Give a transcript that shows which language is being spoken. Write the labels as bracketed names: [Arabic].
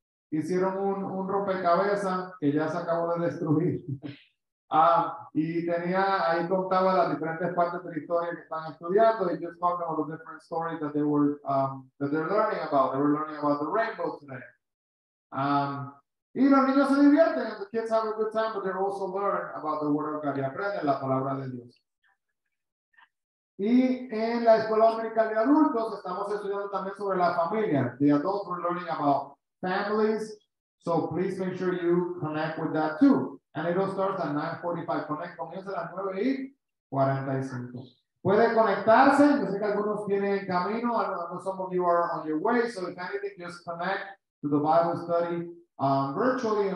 [Spanish] Hicieron un rompecabezas que ya se acabó de destruir. y tenía, ahí contaba las diferentes partes de la historia que están estudiando. [English] They just talked about the different stories that they were, that they're learning about. They were learning about the rainbow today. [Spanish] Y los niños se divierten, [English] and the kids have a good time, but they're also learning about the word of God. [Spanish] Y aprenden la palabra de Dios. Y en la escuela dominical de adultos, estamos estudiando también sobre la familia. [English] The adults were learning about families, so please make sure you connect with that too. And it all starts at 9:45. [Spanish] Conecta, comienza a las 9:45. Puede conectarse. Yo sé que algunos tienen camino. [English] Some of you are on your way. So if anything, just connect to the Bible study virtually.